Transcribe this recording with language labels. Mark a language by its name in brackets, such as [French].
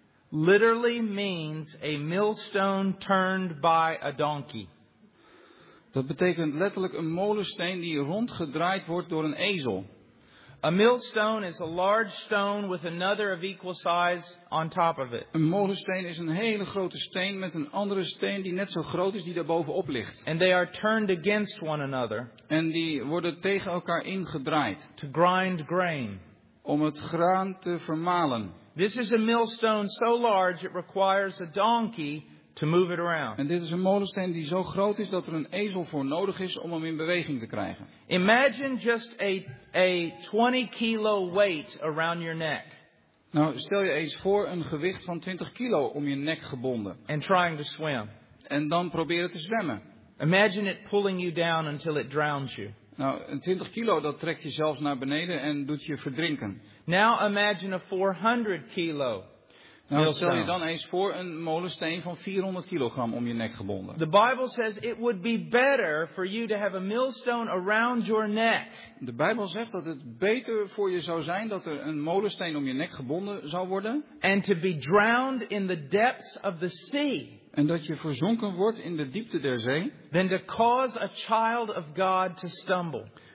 [English] Literally means a millstone turned by a donkey. [Dutch] Dat betekent letterlijk een molensteen die rondgedraaid wordt door een ezel. [English] A millstone is a large stone with another of equal size on top of it. [Dutch] Een molensteen is een hele grote steen met een andere steen die net zo groot is die daar bovenop ligt. [English] And they are turned against one another. [Dutch] En die worden tegen elkaar ingedraaid. [English] To grind grain. [Dutch] om het graan te vermalen. [English] This is a millstone so large it requires a donkey to move it around. [Dutch] En dit is een molensteen die zo groot is dat er een ezel voor nodig is om hem in beweging te krijgen. [English] Imagine just a 20 kilo weight around your neck. [Dutch] Nou, stel je eens voor een gewicht van 20 kilo om je nek gebonden. [English] And trying to swim. [Dutch] En dan proberen te zwemmen. [English] Imagine it pulling you down until it drowns you. [Dutch] Nou, een 20 kilo dat trekt je zelfs naar beneden en doet je verdrinken. [English] Now imagine a 400 kilo. [Dutch] Nou, stel je dan eens voor een molensteen van 400 kilogram om je nek gebonden. [English] The Bible says it would be better for you to have a millstone around your neck. [Dutch] De Bijbel zegt dat het beter voor je zou zijn dat er een molensteen om je nek gebonden zou worden. [English] And to be drowned in the depths of the sea. [Dutch] En dat je verzonken wordt in de diepte der zee. [English] Than to cause a child of God to stumble.